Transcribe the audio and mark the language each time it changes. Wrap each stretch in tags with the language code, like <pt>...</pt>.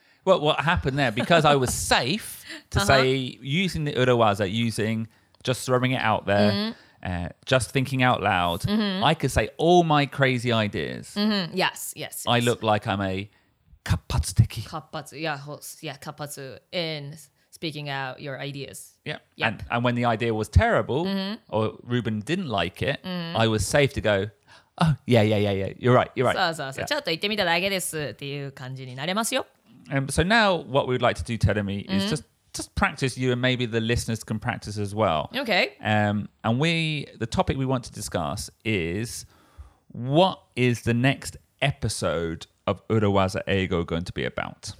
<en>Well, what happened there, because I was safe to say using the urawaza, using just throwing it out there, just thinking out loud, I could say all my crazy ideas. Yes. I look like I'm a kappatsu teki. Kappatsu in speaking out your ideas. Yeah. Yep. And when the idea was terrible or Ruben didn't like it, I was safe to go, oh, yeah. You're right. So.</en> <ja>Yeah. ちょっと言ってみただけですっていう感じになれますよ。</ja> <en>So now what we'd like to do, Terumi, is just practice you and maybe the listeners can practice as well. Okay. The topic we want to discuss is what is the next episode of Urawaza Eigo going to be about?</en>